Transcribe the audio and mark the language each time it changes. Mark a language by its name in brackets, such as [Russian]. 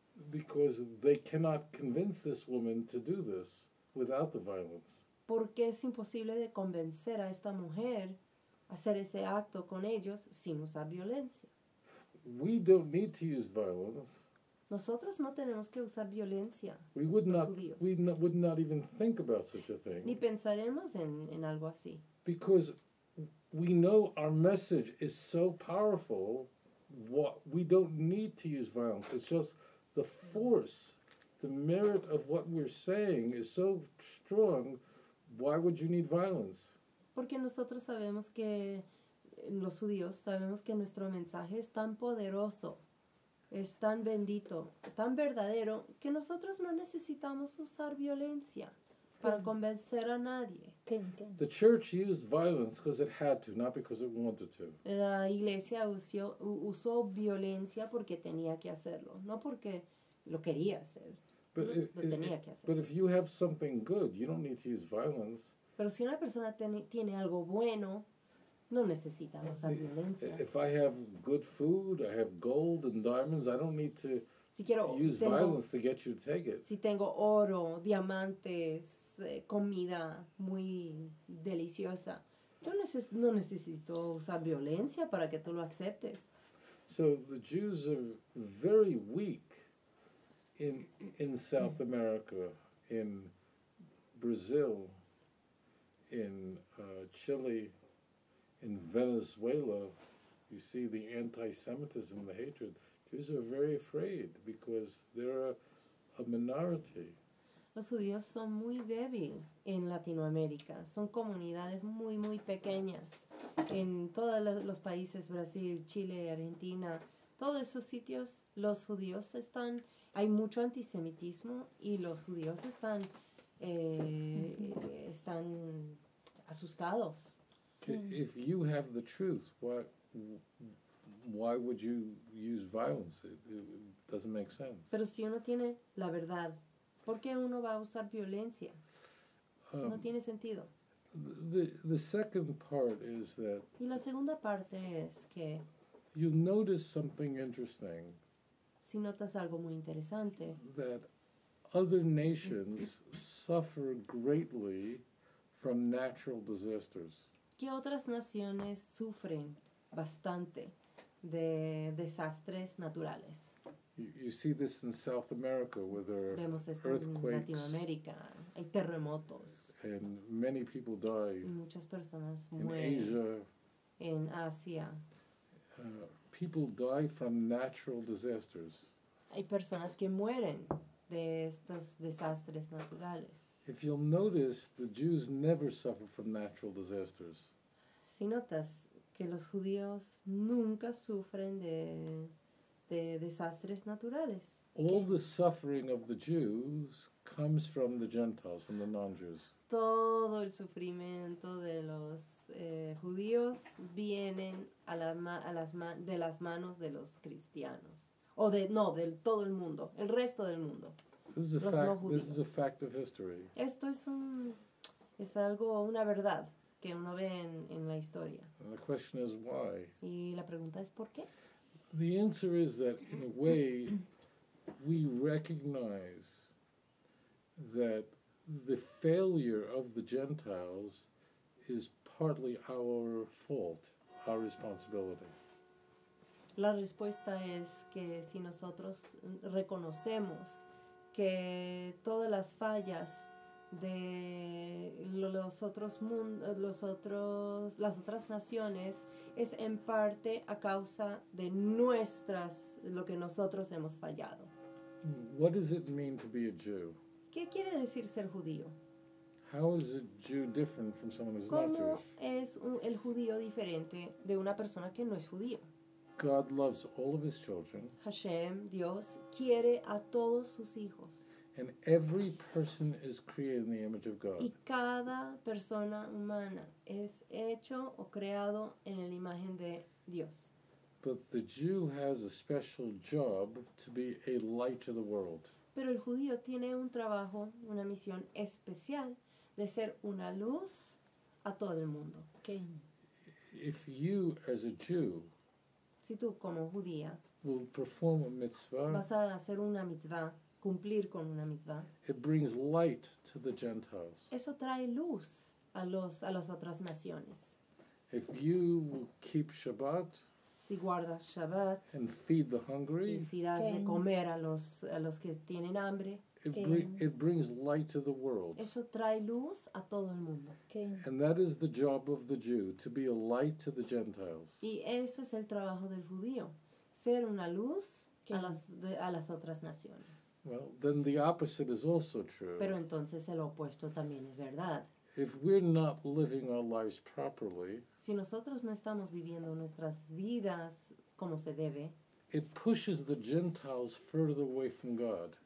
[English] Because they cannot convince this woman to do this without the violence. [Spanish] Porque es imposible de convencer a esta mujer a hacer ese acto con ellos sin usar violencia. [English] We don't need to use violence. [Spanish] Nosotros no tenemos que usar violencia. [English] We would not. We would not even think about such a thing. [Spanish] Ni pensaremos en algo así. [English] Because we know our message is so powerful, we don't need to use violence. It's just the force, the merit of what we're saying is so strong. Why would you need violence? [Spanish] Porque nosotros sabemos que los judíos sabemos que nuestro mensaje es tan poderoso, es tan bendito, tan verdadero, que nosotros no necesitamos usar violencia para convencer a nadie. [English] The church used violence because it had to, not because it wanted to. [Spanish] La iglesia usó violencia porque tenía que hacerlo, no porque lo quería hacer. [English] But if you have something good, you don't need to use violence. [Spanish] Pero si una persona tiene algo bueno, no necesita usar violencia. [English] If I have good food, I have gold and diamonds, I don't need to violence to get you to take it. [Spanish] Si tengo oro, diamantes, comida muy deliciosa, yo no necesito usar violencia para que tú lo aceptes. [English] So the Jews are very weak in South America, in Brazil, in Chile, in Venezuela. You see the anti-Semitism, the hatred. Jews are very afraid because they're a minority. [Spanish] Los judíos son muy débil en Latinoamérica. Son comunidades muy, muy pequeñas. En todos los países, Brasil, Chile, Argentina, todos esos sitios, los judíos están. Hay mucho antisemitismo y los judíos están están asustados. [English] If you have the truth, why would you use violence? It doesn't make sense. [Spanish] Pero si uno tiene la verdad, ¿por qué uno va a usar violencia? No tiene sentido. [English] The second part is that... [Spanish] Y la segunda parte es que... [English] You notice something interesting. [Spanish] Si notas algo muy interesante. [English] That other nations suffer greatly from natural disasters. [Spanish] Que otras naciones sufren bastante de desastres naturales. [English] You see this in South America where there are [Spanish] vemos esto [English] earthquakes. [Spanish] En Latinoamérica hay terremotos. [English] And many people die. [Spanish] Y muchas personas [English] in [Spanish] mueren. [English] In Asia. [Spanish] En Asia. [English] People die from natural disasters. [Spanish] Hay personas que mueren de estos desastres naturales. [English] If you'll notice, the Jews never suffer from natural disasters. [Spanish] Si notas que los judíos nunca sufren de desastres naturales. [English] All the suffering of the Jews comes from the Gentiles, from the non-Jews. [Spanish] Todo el sufrimiento de los judíos vienen de las manos de los cristianos. O de, no, de todo el mundo, el resto del mundo. [English] This is a [Spanish] los no judíos. [English] This is a fact of history. [Spanish] Esto es un, es algo, una verdad que uno ve en la historia. [English] And the question is why. [Spanish] Y la pregunta es ¿por qué? [English] The answer is that in a way we recognize that the failure of the Gentiles is partly our fault, our responsibility. [Spanish] La respuesta es que si nosotros reconocemos que todas las fallas de las otras naciones es en parte a causa de nuestras, lo que nosotros hemos fallado. [English] What does it mean to be a Jew? [Spanish] ¿Qué quiere decir ser judío? [English] How is a Jew different from someone who's [Spanish] ¿Cómo [English] not Jewish? [Spanish] Es el judío diferente de una persona que no es judío? [English] God loves all of his children. [Spanish] Hashem, Dios, quiere a todos sus hijos. [English] And every person is created in the image of God. [Spanish] Y cada persona humana es hecho o creado en la imagen de Dios. [English] But the Jew has a special job to be a light to the world. [Spanish] Pero el judío tiene un trabajo, una misión especial de ser una luz a todo el mundo. [English] Okay. If you, as a Jew, [Spanish] si tú como judía [English] will perform a mitzvah, [Spanish] vas a hacer una mitzvah, cumplir con una mitzvah. [English] It brings light to the Gentiles. [Spanish] Eso trae luz a los a las otras naciones. [English] If you keep Shabbat, [Spanish] si guardas Shabbat, [English] and feed the hungry, [Spanish] y si das de comer a los que tienen hambre, [English] it brings light to the world. [Spanish] Eso trae luz a todo el mundo. ¿Qué? [English] And that is the job of the Jew, to be a light to the Gentiles. [Spanish] Y eso es el trabajo del judío, ser una luz a las otras naciones. [English] Well, then the opposite is also true. [Spanish] Pero entonces el opuesto también es verdad. [English] If we're not living our lives properly, [Spanish] si nosotros no estamos viviendo nuestras vidas como se debe, [English] it pushes the Gentiles further away from God.